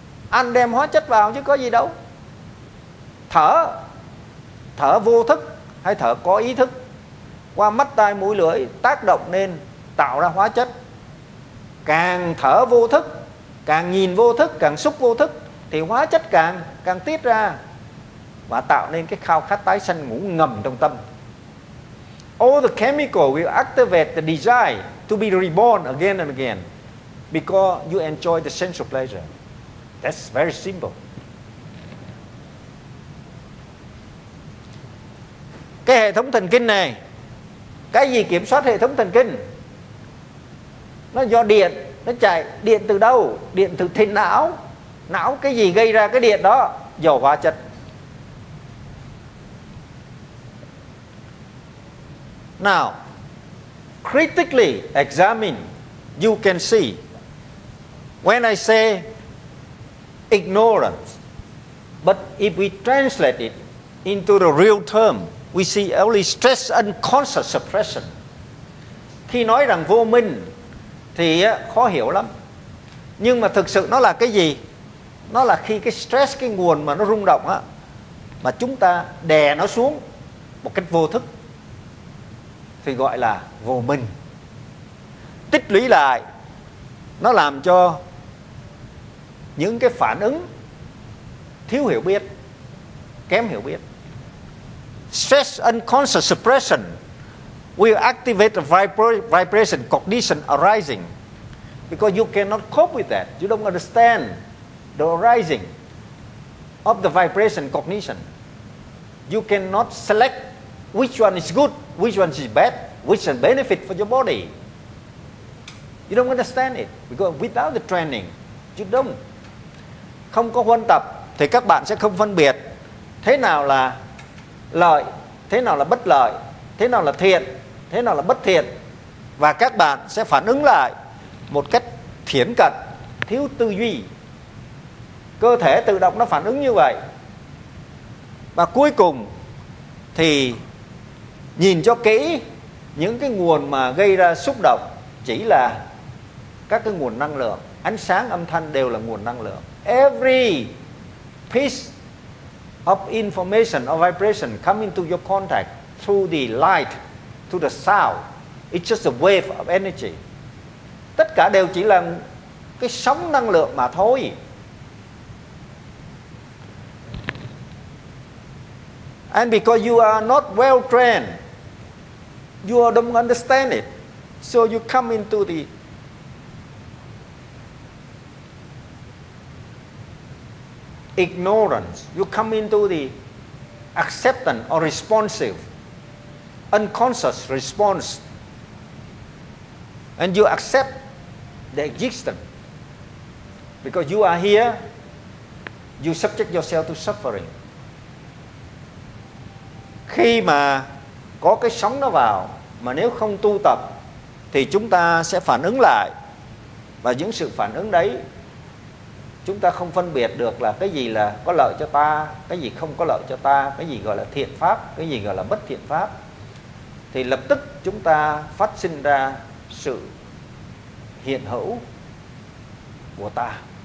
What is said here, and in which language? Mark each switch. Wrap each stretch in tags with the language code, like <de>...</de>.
<vi>Ăn đem hóa chất vào chứ có gì đâu. Thở, thở vô thức hay thở có ý thức, qua mắt tai mũi lưỡi tác động nên tạo ra hóa chất. Càng thở vô thức, càng nhìn vô thức, càng xúc vô thức thì hóa chất càng tiết ra và tạo nên cái khao khát tái sanh ngủ ngầm trong tâm.</vi> <en>All the chemical will activate the desire to be reborn again and again because you enjoy the sensual pleasure. That's very simple.</en> <vi>Cái hệ thống thần kinh này, cái gì kiểm soát hệ thống thần kinh? Nó do điện, nó chạy. Điện từ đâu? Điện từ thịt não. Não cái gì gây ra cái điện đó? Do hóa chất.</vi> <en>Now, critically examine, you can see, when I say ignorance, but if we translate it into the real term, we see only stress unconscious suppression.</en> <vi>Khi nói rằng vô minh thì khó hiểu lắm. Nhưng mà thực sự nó là cái gì? Nó là khi cái stress, cái nguồn mà nó rung động á, mà chúng ta đè nó xuống một cách vô thức thì gọi là vô minh. Tích lũy lại, nó làm cho những cái phản ứng thiếu hiểu biết kém hiểu biết.</vi> <en>Stress unconscious suppression will activate a vibration condition arising because you cannot cope with that. You don't understand the arising of the vibration cognition. You cannot select which one is good, which one is bad, which one benefit for your body. You don't understand it because without the training, you don't.</en> <vi>Không có huấn tập thì các bạn sẽ không phân biệt thế nào là lợi, thế nào là bất lợi, thế nào là thiện, thế nào là bất thiện, và các bạn sẽ phản ứng lại một cách thiển cận, thiếu tư duy. Cơ thể tự động nó phản ứng như vậy. Và cuối cùng thì nhìn cho kỹ những cái nguồn mà gây ra xúc động chỉ là các cái nguồn năng lượng. Ánh sáng, âm thanh đều là nguồn năng lượng.</vi> <en>Every piece of information or vibration coming to your contact through the light, through the sound, it's just a wave of energy.</en> <vi>Tất cả đều chỉ là cái sóng năng lượng mà thôi.</vi> <en>And because you are not well trained, you don't understand it, so you come into the ignorance, you come into the acceptance or responsive, unconscious response, and you accept the existence. Because you are here, you subject yourself to suffering.</en> <vi>Khi mà có cái sóng nó vào, mà nếu không tu tập thì chúng ta sẽ phản ứng lại, và những sự phản ứng đấy chúng ta không phân biệt được là cái gì là có lợi cho ta, cái gì không có lợi cho ta, cái gì gọi là thiện pháp, cái gì gọi là bất thiện pháp, thì lập tức chúng ta phát sinh ra sự hiện hữu của ta.</vi>